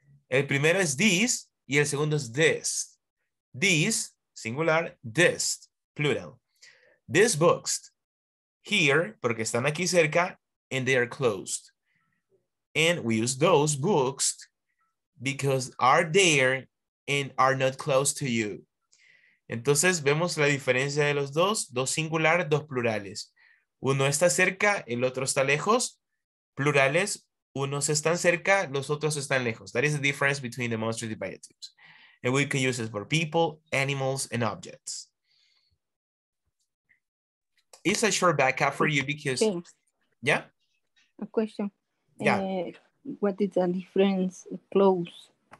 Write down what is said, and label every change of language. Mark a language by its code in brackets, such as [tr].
[es] El primero es this y el segundo es this. This, singular, this, plural. [en] These books, here, [es] porque están aquí cerca, [en] and they are closed. And we use those books because are there and are not close to you. [es] Entonces vemos la diferencia de los dos, dos singulares, dos plurales. Uno está cerca, el otro está lejos. Plurales, unos están cerca, los otros están lejos. [en] That is the difference between demonstrative adjectives. And we can use it for people, animals, and objects. It's a short backup for you because... Okay. Yeah? A question. Yeah. What is the difference? Close.